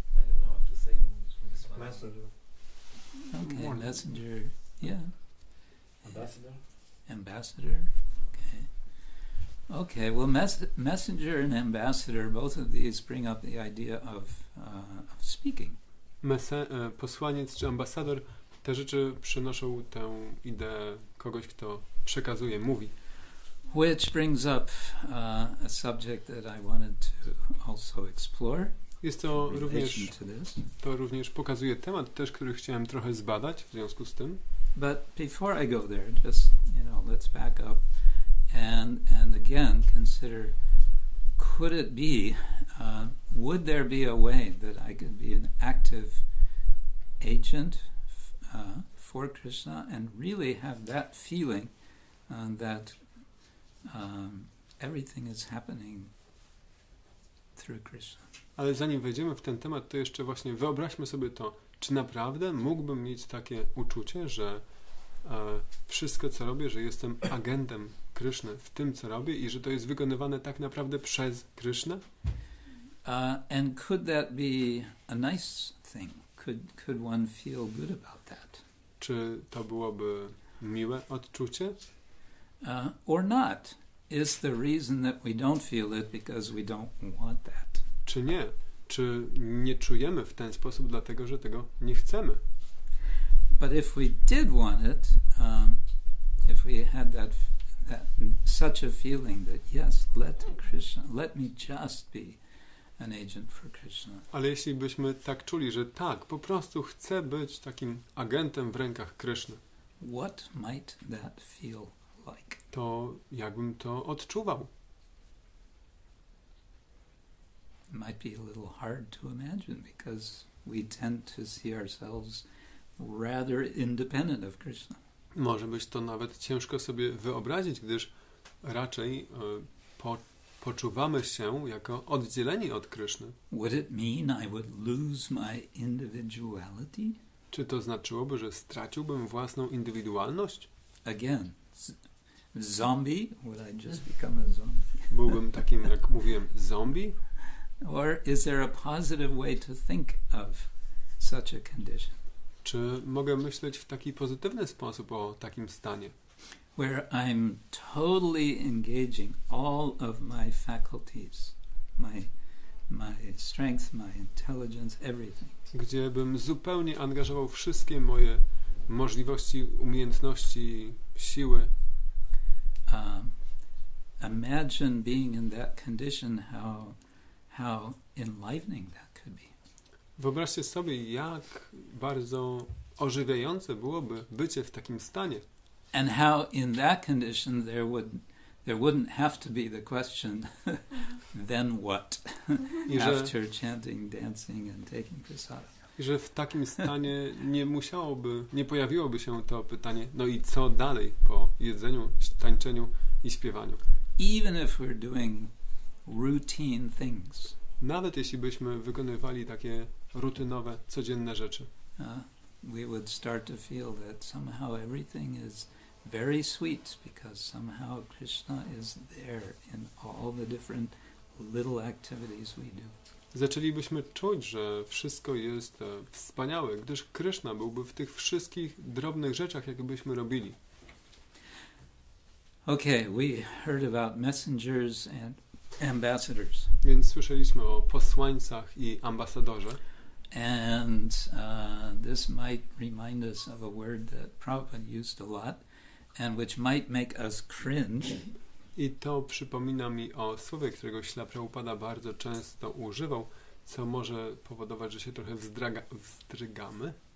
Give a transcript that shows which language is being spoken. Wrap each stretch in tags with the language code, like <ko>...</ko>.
<en>I don't know what to say in Islam. Okay, messenger, yeah. Ambassador, okay. Okay, well, messenger and ambassador, both of these bring up the idea of speaking.</en> <pl>Posłaniec czy ambasador, te rzeczy przynoszą tę ideę kogoś, kto przekazuje, mówi.</pl> <en>Which brings up a subject that I wanted to also explore.</en> <pl>Jest to również, pokazuje temat też, który chciałem trochę zbadać w związku z tym.</pl> <en>But before I go there, just, you know, let's back up and again consider, could it be, would there be a way that I could be an active agent for Krishna and really have that feeling that everything is happening through Krishna.</en> <pl>Ale zanim wejdziemy w ten temat, to jeszcze właśnie wyobraźmy sobie to, czy naprawdę mógłbym mieć takie uczucie, że wszystko, co robię, że jestem agentem Kryszny w tym, co robię i że to jest wykonywane tak naprawdę przez Krysznę?</pl> <en>And could that be a nice thing? Could one feel good about that?</en> <pl>Czy to byłoby miłe odczucie?</pl> <en>Or not? Is the reason that we don't feel it because we don't want that?</en> <pl>Czy nie? Czy nie czujemy w ten sposób dlatego, że tego nie chcemy?</pl> <en>But if we did want it, if we had that such a feeling that yes, let Krishna, let me just be an agent for Krishna.</en> <pl>Ale jeśli byśmy tak czuli, że tak, po prostu chcę być takim agentem w rękach Krishna.</pl> <en>What might that feel like?</en> <pl>To jakbym to odczuwał?</pl> <en>Might be a little hard to imagine because we tend to see ourselves rather independent of Krishna.</en> <pl>Może być to nawet ciężko sobie wyobrazić, gdyż raczej poczuwamy się jako oddzieleni od Kryszny.</pl> <en>Would it mean I would lose my individuality?</en> <pl>Czy to znaczyłoby, że straciłbym własną indywidualność?</pl> <en>Again, zombie? Would I just become a zombie?</en> <pl>Byłbym takim, jak mówiłem, zombie?</pl> <en>Or is there a positive way to think of such a condition?</en> <pl>Czy mogę myśleć w taki pozytywny sposób o takim stanie?</pl> <en>Where I'm totally engaging all of my faculties, my strength, my intelligence, everything.</en> <pl>Gdzie bym zupełnie angażował wszystkie moje możliwości, umiejętności, siły.</pl> <en>Imagine being in that condition, how enlivening that could be.</en> <pl>Wyobraźcie sobie, jak bardzo ożywiające byłoby bycie w takim stanie.</pl> <en>And how in that condition there wouldn't have to be the question then what after chanting, dancing and taking prasada.</en> <pl>I że w takim stanie nie pojawiłoby się to pytanie, no i co dalej po jedzeniu, tańczeniu i śpiewaniu.</pl> <en>Even if we're doing routine things.</en> <pl>Nawet jeśli byśmy wykonywali takie rutynowe, codzienne rzeczy.</pl> <en>We would start to feel that somehow everything is very sweet because somehow Krishna is there in all the different little activities we do.</en> <pl>Zaczęlibyśmy czuć, że wszystko jest wspaniałe, gdyż Krishna byłby w tych wszystkich drobnych rzeczach, jakie byśmy robili.</pl> <en>Okay, we heard about messengers and ambassadors.</en> <pl>Więc słyszeliśmy o posłańcach i ambasadorze.</pl> <en>And this might remind us of a word that Prabhupada used a lot and which might make us cringe.</en> <pl>I to przypomina mi o słowie, którego Śla Prabhupada bardzo często używał, co może powodować, że się trochę wzdrygamy.</pl>